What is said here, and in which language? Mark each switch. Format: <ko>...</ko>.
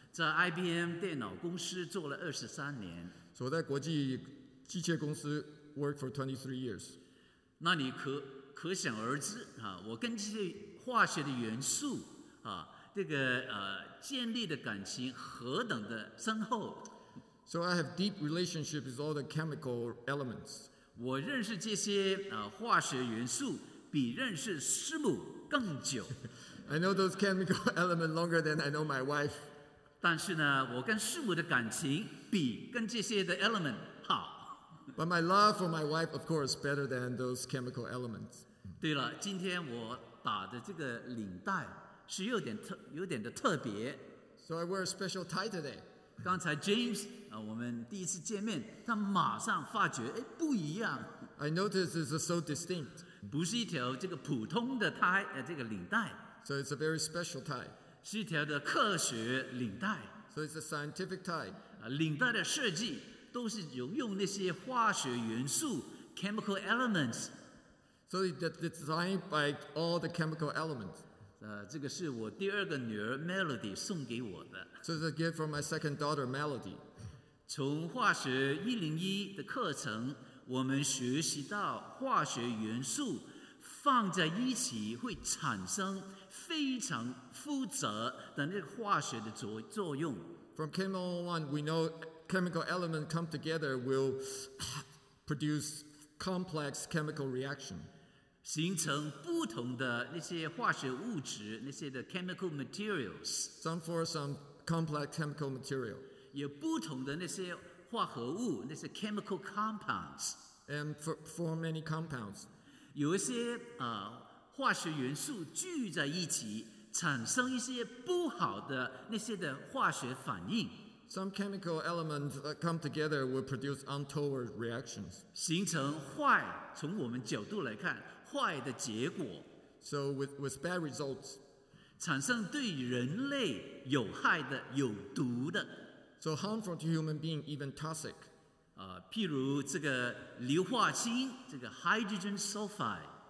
<zh>在 IBM 电脑公司做了23年。</zh> <en>So</en> <zh>我在国际机械公司</zh> <en>worked for 23 years.</en> <zh>那你可想而知啊，我跟这些化学的元素啊，这个建立的感情何等的深厚。</zh> <en>So I have deep relationships with all the chemical elements.</en> <zh>我认识这些化学元素比认识师母更久。</zh> <en>I know those chemical elements longer than I know my wife.</en> <zh>但是呢，我跟师母的感情比跟这些的 element 好。</zh> <en>But my love for my wife, of course, better than those chemical elements.</en> <zh>对了，今天我打的这个领带是有点的特别。</zh> <en>So I wear a special tie today.</en> <zh>刚才 James。我们第一次见面，他马上发觉，哎，不一样。</zh> <en>I notice it's so distinct.</en> <zh>不是一条这个普通的tie，这个领带。</zh> <en>So it's a very special tie.</en> <zh>是一条的科学领带。</zh> <en>So it's a scientific tie.</en> <zh>领带的设计都是用那些化学元素</zh> <en>chemical elements. So it's designed by all the chemical elements.</en> <zh>这个是我第二个女儿 Melody 送给我的。</zh> <en>So it's a gift from my second daughter Melody.</en> <zh>从化学101的课程，我们学习到化学元素放在一起会产生非常复杂的那个化学的作用。</zh> <en>From Chemical 101, we know chemical elements come together will produce complex chemical reaction.</en> <zh>形成不同的那些化学物质，那些的</zh> <en>chemical materials. Some for some complex chemical material.</en> <zh>有不同的那些化合物，那些</zh> <en>chemical compounds, and for many compounds,</en> <zh>有一些化学元素聚在一起，产生一些不好的那些的化学反应。</zh> <en>Some chemical elements that come together will produce untoward reactions,</en> <zh>形成坏，从我们角度来看，坏的结果。</zh> <en>So with bad results,</en> <zh>产生对人类有害的、有毒的。</zh> <en>So harmful to human being, even toxic.</en> <zh>譬如这个硫化氢，这个</zh> <en>hydrogen sulfide.</en>